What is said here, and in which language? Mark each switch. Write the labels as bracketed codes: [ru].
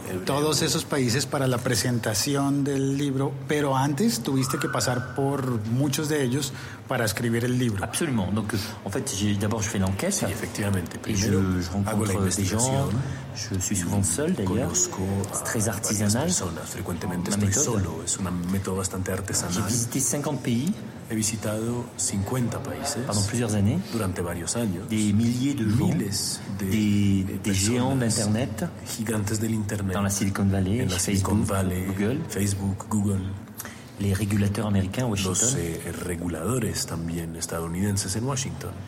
[es] Todos esos países para la presentación del libro, pero antes tuviste que pasar por muchos de ellos para escribir el libro. [fr] Absolument. Donc, en fait, d'abord, je fais l'enquête. [es] Sí, efectivamente. Primero, [fr] je rencontre des gens. Je suis souvent seul, d'ailleurs. C'est très artisanal. [es] Frecuentemente estoy solo. Es una método bastante artesanal. [fr] J'ai visité 50 pays. [es] He visitado 50 países [fr] pendant plusieurs années, [es] durante varios años, [fr] des milliers de gens, des géants d'internet, [es] gigantes [fr] de l'internet, dans la Silicon Valley, [es] en la Silicon Valley, Facebook, Google, [fr] les régulateurs américains, Washington, [es] los reguladores también estadounidenses en Washington,